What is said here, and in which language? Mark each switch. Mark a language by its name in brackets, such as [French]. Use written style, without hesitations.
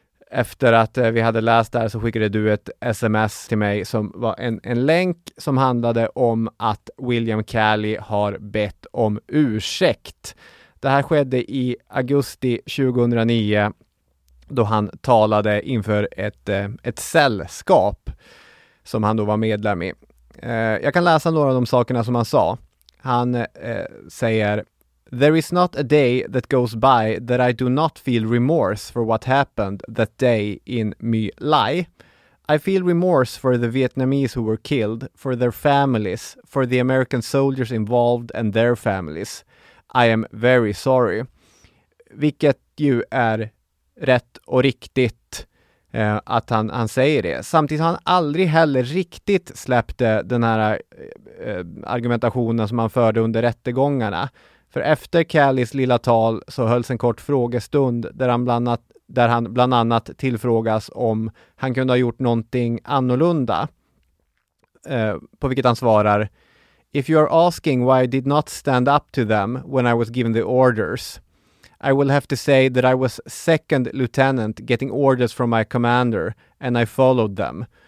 [Swedish] Efter att vi hade läst där så skickade du ett sms till mig som var en länk som handlade om att William Kelly har bett om ursäkt. Det här skedde i augusti 2009 då han talade inför ett sällskap som han då var medlem i. Jag kan läsa några av de sakerna som han sa. Han säger... [English] There is not a day that goes by that I do not feel remorse for what happened that day in My Lai. I feel remorse for the Vietnamese who were killed, for their families, for the American soldiers involved and their families. I am very sorry. [Swedish] Vilket ju är rätt och riktigt att han säger det. Samtidigt har han aldrig heller riktigt släppte den här argumentationen som han förde under rättegångarna. För efter Kellys lilla tal så hölls en kort frågestund där han bland annat tillfrågas om han kunde ha gjort någonting annorlunda. På vilket han svarar: [English] If you are asking why I did not stand up to them when I was given the orders, I will have to say that I was second lieutenant getting orders from my commander and I followed them.